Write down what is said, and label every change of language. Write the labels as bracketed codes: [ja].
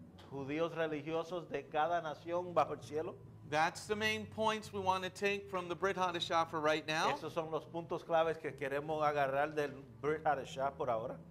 [es] Judíos religiosos de cada nación bajo el cielo. [en] That's the main points we want to take from the Brit Hadashah for right now. [es] Esos son los puntos claves que queremos agarrar del Brit Hadashah por ahora.